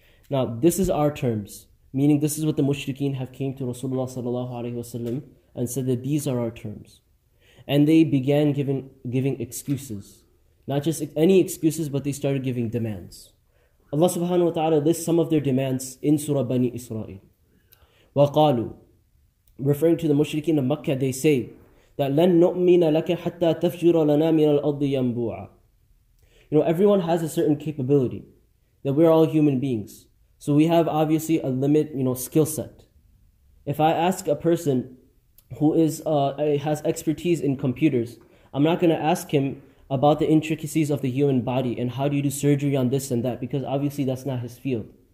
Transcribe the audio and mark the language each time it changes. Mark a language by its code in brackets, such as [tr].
[en] Now, this is our terms. Meaning this is what the mushrikeen have came to Rasulullah sallallahu alayhi wasallam and said that these are our terms. And they began giving excuses. Not just any excuses, but they started giving demands. Allah subhanahu wa ta'ala lists some of their demands in Surah Bani Israel. [ar] وَقَالُوا, [en] referring to the mushrikeen of Mecca, they say that [ar] لَن نُؤْمِنَ لَكَ حَتَّى تَفْجُرَ لَنَا مِنَ الْأَضِّ يَنْبُوعًا. [en] You know, everyone has a certain capability, that we're all human beings. So we have obviously a limit, you know, skill set. If I ask a person who has expertise in computers, I'm not going to ask him about the intricacies of the human body and how do you do surgery on this and that, because obviously that's not his field.